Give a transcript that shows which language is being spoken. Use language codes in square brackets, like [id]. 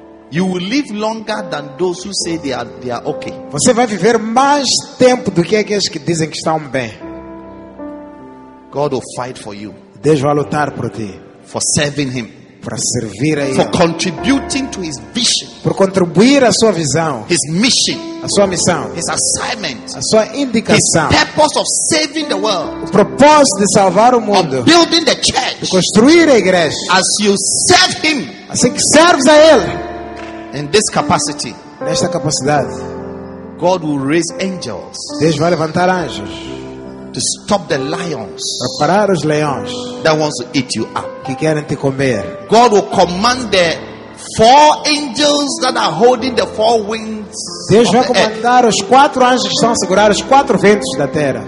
[en] You will live longer than those who say they are okay. [pt] Você vai viver mais tempo do que aqueles que dizem que estão bem. [en] God will fight for you. [pt] Deus vai lutar por ti. [en] For serving Him. [pt] Para servir a Ele. [en] For contributing to His vision. [pt] Por contribuir à sua visão. [en] His mission. [pt] A sua missão. [en] His assignment. [pt] A sua indicação. [en] His purpose of saving the world. [pt] O propósito de salvar o mundo. [en] Of building the church. [pt] De construir a igreja. [en] As you serve Him. [pt] Assim que serves a Ele. [en] In this capacity. [pt] Nesta capacidade. [en] God will raise angels. [pt] Deus vai levantar anjos. [en] To stop the lions, [pt] para parar os leões, [en] that wants to eat you up, [pt] que querem te comer. [en] God will command the four angels that are holding the four winds. [pt] Deus vai comandar os quatro anjos que estão a segurar os quatro ventos da terra.